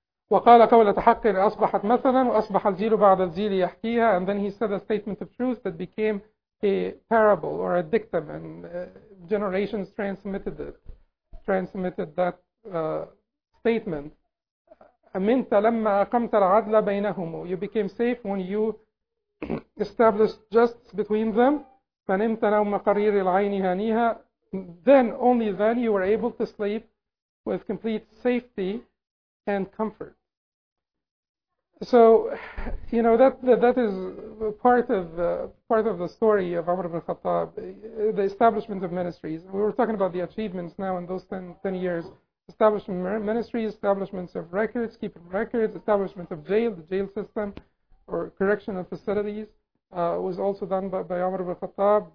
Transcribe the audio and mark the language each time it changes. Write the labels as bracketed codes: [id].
[ar] وَقَالَ قَوْلَ تَحَقِّرْ أَصْبَحَتْ مَثَلًا وَأَصْبَحَ الْجِيلُ بَعْدَ الْجِيلِ يَحْكِيهَا. [en] And then he said a statement of truth that became a parable or a dictum, and generations transmitted it, transmitted that statement. [ar] أمنت لما أقمت العدل بينهم. [en] You became safe when you established justice between them. [ar] فنمت نوم قرير العين هانيها. [en] Then, only then, you were able to sleep with complete safety and comfort. So, you know, that is part of the story of Umar ibn Khattab, the establishment of ministries. We were talking about the achievements now in those 10 years. Establishment of ministries, establishments of records, keeping records, establishment of jail, the jail system, or correctional facilities was also done by Umar ibn Khattab.